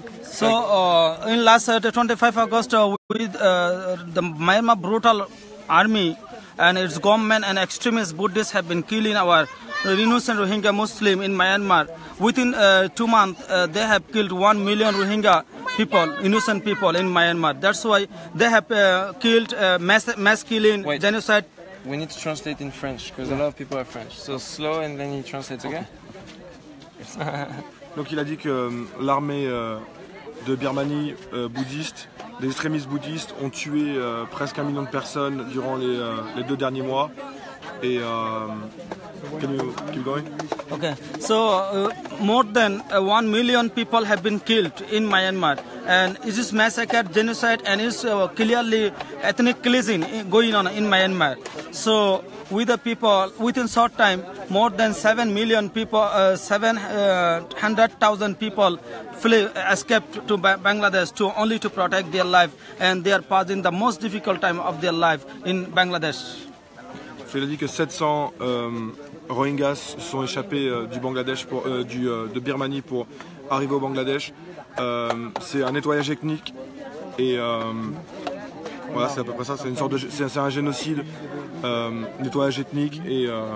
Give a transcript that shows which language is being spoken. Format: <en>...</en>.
<en>So, in last 25 August, with the Myanmar brutal army and its gunmen and extremist Buddhists have been killing our innocent Rohingya Muslim in Myanmar. Within 2 months, they have killed 1 million Rohingya people, innocent people in Myanmar. That's why they have killed mass killing, Wait. Genocide. We need to translate in French because a lot of people are French. So slow and then he translates again.</en> <fr>Donc il a dit que l'armée de Birmanie bouddhiste, des extrémistes bouddhistes ont tué presque 1 million de personnes durant les 2 derniers mois.</fr> <en>Et can you keep going? Okay. So more than 1 million people have been killed in Myanmar. And it is massacre, genocide, and it's clearly ethnic cleansing going on in Myanmar. So, with the people, within short time, more than 7 million people, 700,000 people, escaped to Bangladesh to only to protect their life, and they are passing the most difficult time of their life in Bangladesh.</en> <fr>Il a dit que 700 Rohingyas sont échappés du Bangladesh pour de Birmanie pour arriver au Bangladesh. C'est un nettoyage ethnique et voilà, c'est à peu près ça, c'est une sorte de c'est un génocide, nettoyage ethnique et</fr>